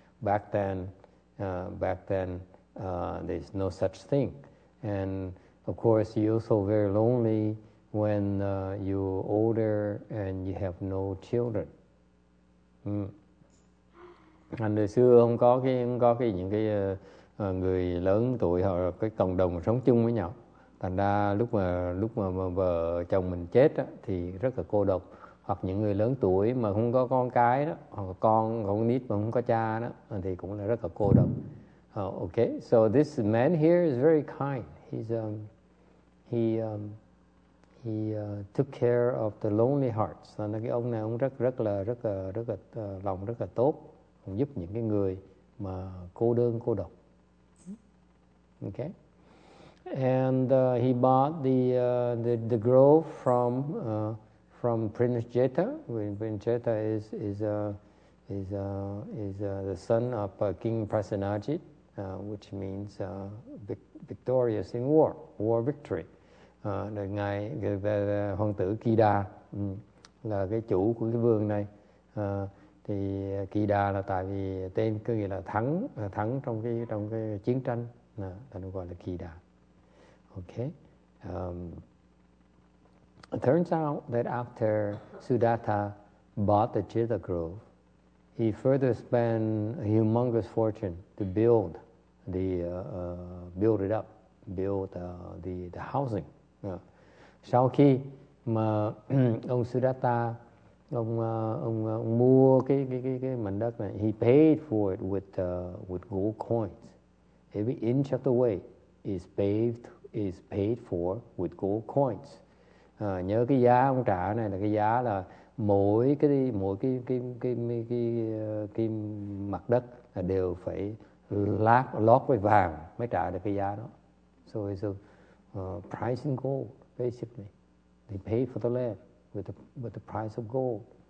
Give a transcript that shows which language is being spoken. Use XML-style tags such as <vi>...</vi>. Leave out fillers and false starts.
<en>Back then, there's no such thing. And Of course, you're also very lonely when you're older and you have no children.</en> <vi>Anh hồi xưa không có cái những cái người lớn tuổi hoặc là cái cộng đồng sống chung với nhau. Thành ra lúc mà vợ chồng mình chết đó, thì rất là cô độc. Hoặc những người lớn tuổi mà không có con cái đó, hoặc con không có nít mà không có cha đó, thì cũng là rất là cô độc.</vi> <en>Okay, so this man here is very kind. He's he took care of the lonely hearts.</en> <vi>Thành ra cái ông này ông rất là lòng rất là tốt, ông giúp những cái người mà cô đơn cô độc.</vi> <en>Okay. And he bought the grove from Prince Jetha. Prince Jetha is the son of King Prasenajit, which means victorious in war victory.</en> <vi>Ngài hoàng tử Kida là cái chủ của cái vườn này. Thì Kida là tại vì tên có nghĩa là thắng trong cái chiến tranh, ta gọi là Kida. Okay.</vi> <en>It turns out that after Sudatta bought the Jetha Grove, he further spent a humongous fortune to build the build the housing.</en> <vi>Sau khi mà ông Sudatta ông mua cái mảnh đất này,</vi> <en>he paid for it with gold coins. Every inch of the way is paid for with gold coins.</en> <vi>Nhớ cái giá ông trả này là cái giá là mỗi cái mặt đất là đều phải lót với vàng mới trả được cái giá đó.</vi> <en>So it's a price in gold, basically. They pay for the land with the price of gold.</en>